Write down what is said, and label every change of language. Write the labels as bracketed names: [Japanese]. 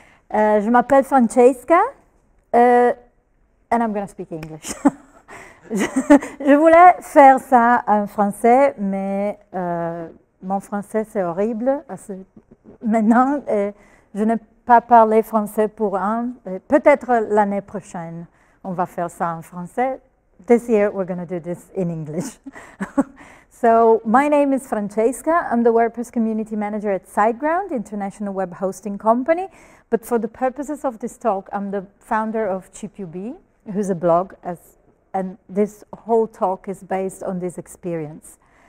[French] je m'appelle [English] Francesca, and I'm going to speak English. [French] je voulais faire ça en français, mais mon français, c'est horrible. Maintenant, je n'ai pas parlé français pour un. Peut-être l'année prochaine, on va faire ça en français. [English] This year, we're going to do this in English. So, my name is Francesca. I'm the WordPress Community Manager at SiteGround, international web hosting company. But for the purposes of this talk, I'm the founder of CheapUB, who's a blog, and this whole talk is based on this experience.